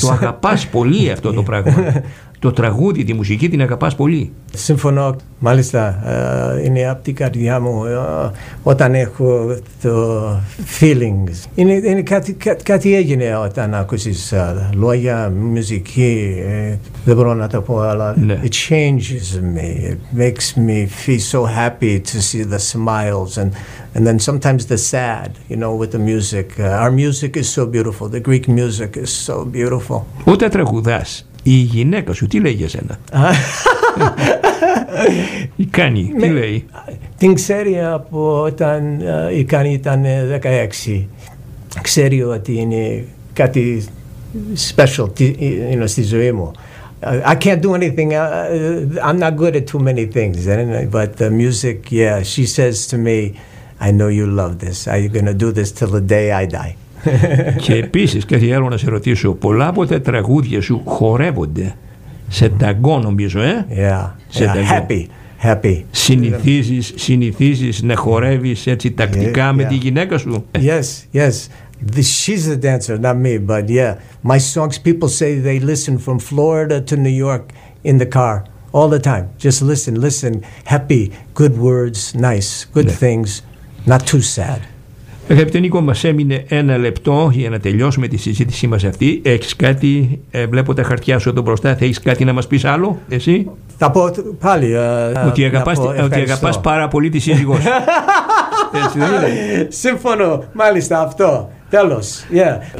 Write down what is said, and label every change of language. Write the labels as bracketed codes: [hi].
[el] Το αγαπάς πολύ αυτό το πράγμα. Το τραγούδι, τη μουσική την αγαπάς πολύ. Συμφωνώ. Μάλιστα, είναι από την καρδιά μου όταν έχω το feelings. Είναι κάτι έγινε όταν ακούσεις λόγια, μουσική, δεν μπορώ να το πω, αλλά ναι. [en] It changes me. It makes me feel so happy to see the smiles and then sometimes the sad, you know, with the music. Our music is so beautiful. The Greek music is so beautiful. [el] Όταν τραγουδάς, η γυναίκα σου τι λέει για σένα? Κάνει, τι λέει? Την ξέρει από όταν η Κάνει ήταν 16. Ξέρει ότι είναι κάτι special στη ζωή μου. [en] I can't do anything. I'm not good at too many things. But the music, yeah, she says to me, I know you love this. Are you going to do this till the day I die? [el] Και επίσης κάτι άλλο να σε ρωτήσω. Πολλά από τα τραγούδια σου χορεύονται σε ταγκό, νομίζω, ε? [en] Yeah, [el] σε [en] yeah, happy, happy. [el] Συνηθίζεις να χορεύεις έτσι τακτικά με τη γυναίκα σου? [en] Yes, yes. She's the dancer, not me, but yeah. My songs, people say they listen from Florida to New York in the car all the time. Just listen, listen. Happy, good words, nice, good things, not too sad. [el] Αγαπητέ Νίκο, μας έμεινε ένα λεπτό για να τελειώσουμε τη συζήτησή μας αυτή. Έχεις κάτι, βλέπω τα χαρτιά σου εδώ μπροστά, θα έχεις κάτι να μας πεις άλλο, εσύ? Θα πω πάλι. Ότι αγαπάς πάρα πολύ τη σύζυγό σου. Συμφωνώ, μάλιστα αυτό. Τέλος. Yeah.